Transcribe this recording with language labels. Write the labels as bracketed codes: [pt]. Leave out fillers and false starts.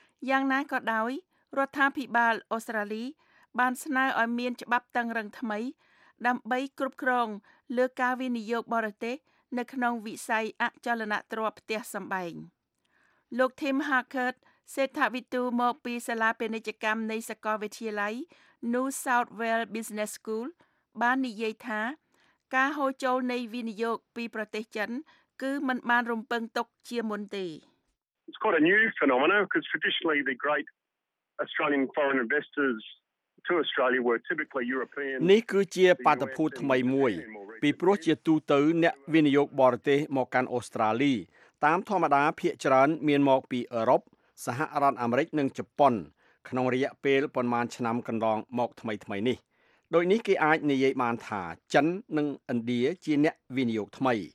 [km] យ៉ាងណាក៏ដោយរដ្ឋាភិបាលអូស្ត្រាលីបានស្នើឲ្យមានច្បាប់តឹងរ៉ឹងថ្មីដើម្បីគ្រប់គ្រងលើការវិនិយោគបរទេសនៅក្នុងវិស័យអចលនទ្រព្យផ្ទះសម្បែងលោក Tim Harkert សេដ្ឋវិទូមកពីសាលាពាណិជ្ជកម្មនៃសាកលវិទ្យាល័យ New South Wales Business School បាននិយាយថាការហូរចូលនៃវិនិយោគពីប្រទេសចិនគឺ [th] มัน [km] បានរំពឹងទុកជាមុនទេ [en] It's quite a new phenomenon because traditionally the great Australian foreign investors to Australia were typically European [km] នេះគឺជាបាតុភូតថ្មីមួយពីព្រោះជាទូទៅអ្នកវិនិយោគបរទេសមកកាន់អូស្ត្រាលីតាមធម្មតាភាគច្រើនមានមកពីអឺរ៉ុបសហរដ្ឋអាមេរិកនិងជប៉ុនក្នុងរយៈពេលប្រមាណឆ្នាំកន្លងមកថ្មីៗនេះដូចនេះគេអាចនិយាយបានថាចិននិងឥណ្ឌាជាអ្នកវិនិយោគថ្មី